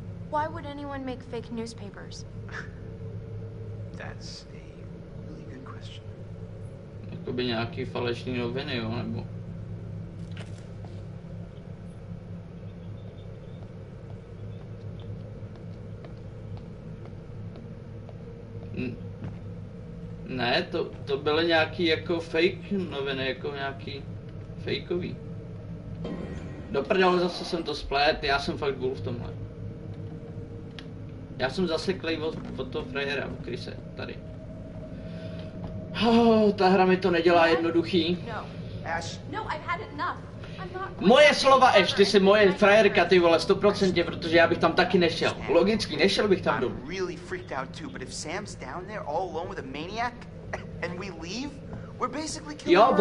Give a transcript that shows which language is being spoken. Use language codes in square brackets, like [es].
[en] Why would anyone make fake newspapers? That's a really good question. [cs] Jakoby nějaký falešný noviny, jo, nebo... Ne, to byly nějaký jako fake noviny, jako nějaký fakeový. Do prdele, zase jsem to splet, já jsem fakt gul v tomhle. Já jsem zase klej od toho frajera, u Krise, tady. Oh, ta hra mi to nedělá jednoduchý. [en] No. Ash. No, I've had enough. [cs] Moje slova, Ash, ty jsi moje frajerka, ty vole, 100%, protože já bych tam taky nešel. Logicky, nešel bych tam domů. [en] Really freaked out too, but if Sam's down there all alone with a maniac and we leave, we're basically killing ourselves.